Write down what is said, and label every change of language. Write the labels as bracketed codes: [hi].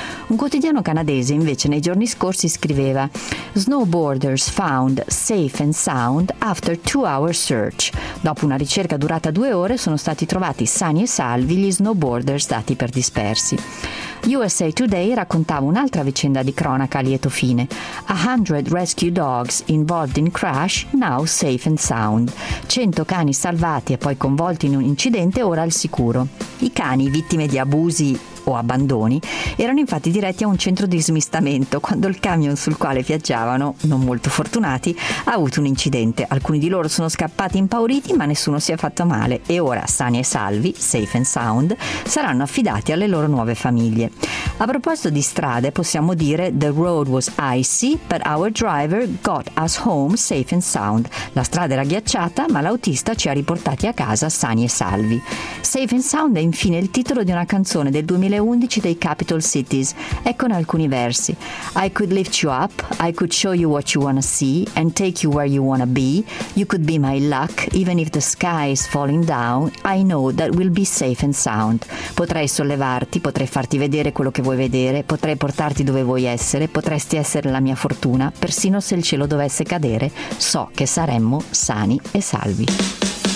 [it] Un quotidiano canadese invece nei giorni scorsi scriveva [en] Snowboarders found safe and sound after 2-hour search. [it] Dopo una ricerca durata 2 ore sono stati trovati sani e salvi gli snowboarders dati per dispersi. USA Today raccontava un'altra vicenda di cronaca a lieto fine. [en] 100 rescue dogs involved in crash, now safe and sound. [it] 100 cani salvati e poi coinvolti in un incidente, ora al sicuro. I cani, vittime di abusi o abbandoni, erano infatti diretti a un centro di smistamento quando il camion sul quale viaggiavano, non molto fortunati, ha avuto un incidente. Alcuni di loro sono scappati impauriti, ma nessuno si è fatto male e ora, sani e salvi, [en] safe and sound, [it] saranno affidati alle loro nuove famiglie. A proposito di strade, possiamo dire [en] The road was icy, but our driver got us home safe and sound. [it] La strada era ghiacciata, ma l'autista ci ha riportati a casa sani e salvi. Safe and sound è infine il titolo di una canzone del 2011 dei Capital Cities. Ecco alcuni versi. [en] I could lift you up, I could show you what you wanna see, and take you where you wanna be. You could be my luck, even if the sky is falling down, I know that we'll be safe and sound. [it] Potrei sollevarti, potrei farti vedere quello che vuoi vedere, potrei portarti dove vuoi essere, potresti essere la mia fortuna, persino se il cielo dovesse cadere, so che saremmo sani e salvi.